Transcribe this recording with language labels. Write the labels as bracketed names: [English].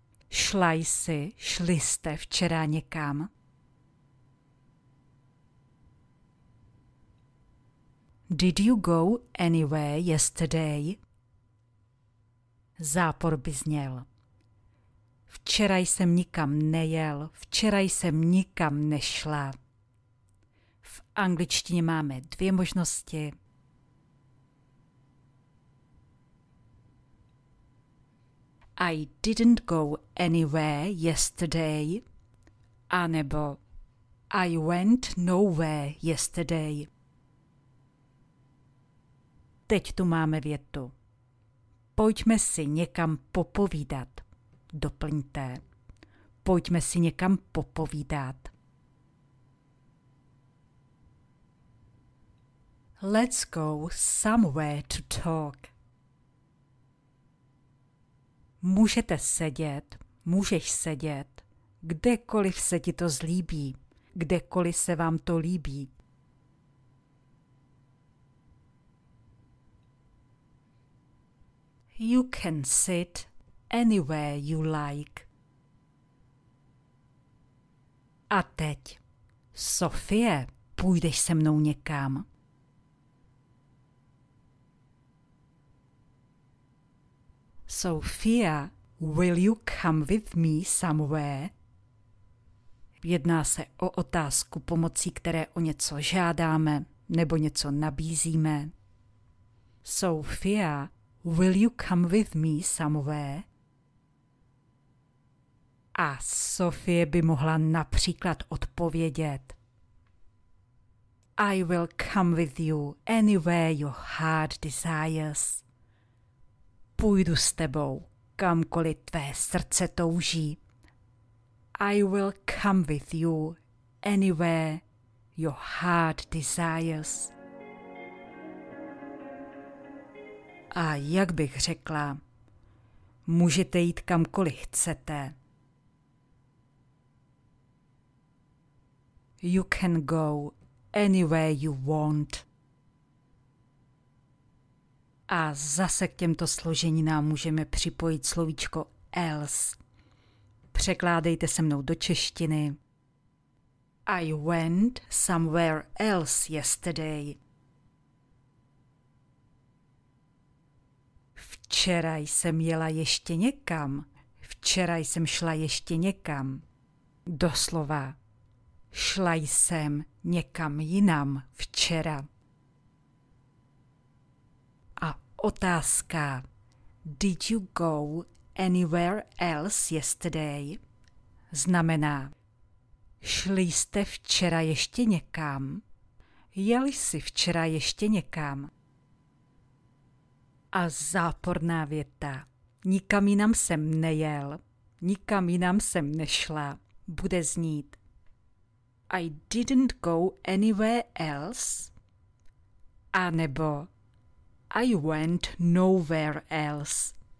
[Czech] Šla jsi, šli jste včera někam? [English] Did you go anywhere yesterday? [Czech] Zápor by zněl. Včera jsem nikam nejel, včera jsem nikam nešla. V angličtině máme dvě možnosti. [English] I didn't go anywhere yesterday. [Czech] Anebo [English] I went nowhere yesterday. [Czech] Teď tu máme větu. Pojďme si někam popovídat. Doplňte. Pojďme si někam popovídat. [English] Let's go somewhere to talk. [Czech] Můžete sedět, můžeš sedět, kdekoliv se ti to zlíbí, kdekoliv se vám to líbí. [English] You can sit anywhere you like. [Czech] A teď, Sofie, půjdeš se mnou někam? [English] Sophia, will you come with me somewhere? [Czech] Jedná se o otázku, pomocí které o něco žádáme nebo něco nabízíme. [English] Sophia, will you come with me somewhere? [Czech] A Sophie by mohla například odpovědět. [English] I will come with you anywhere your heart desires. [Czech] Půjdu s tebou, kamkoliv tvé srdce touží. [English] I will come with you anywhere your heart desires. [Czech] A jak bych řekla, můžete jít kamkoliv chcete. [English] You can go anywhere you want. [Czech] A zase k těmto složeninám můžeme připojit slovíčko else. Překládejte se mnou do češtiny. [English] I went somewhere else yesterday. [Czech] Včera jsem jela ještě někam. Včera jsem šla ještě někam. Doslova, šla jsem někam jinam včera. Otázka. [English] Did you go anywhere else yesterday? [Czech] Znamená, šli jste včera ještě někam? Jeli jsi včera ještě někam? A záporná věta. Nikam jinam jsem nejel, nikam jinam jsem nešla. Bude znít. [English] I didn't go anywhere else. [Czech] A nebo [English] I went nowhere else.